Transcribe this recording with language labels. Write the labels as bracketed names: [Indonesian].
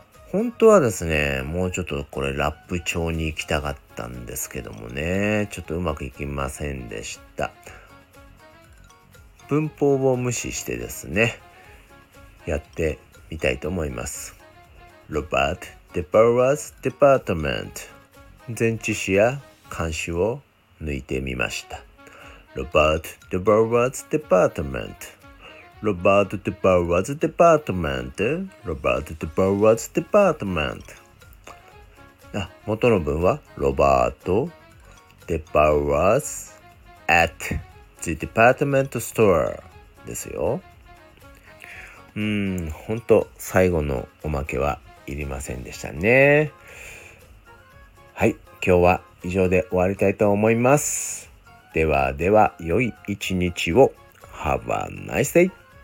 [Japanese] 本当はですね、もうちょっとこれラップ調に行きたかったんですけどもね、ちょっとうまくいきませんでした。文法を無視してですね、やってみたいと思います。ロバートデパートはデパートメント、前置詞や冠詞を抜いてみました。 [English] Robert devoured department. Robert devoured department. Robert devoured department. [Japanese] 元の文は [English] Robert devoured at the department store [Japanese] ですよ。本当最後のおまけはいりませんでしたね。はい、今日は以上で終わりたいと思います。ではでは、良い一日を。 [English] Have a nice day.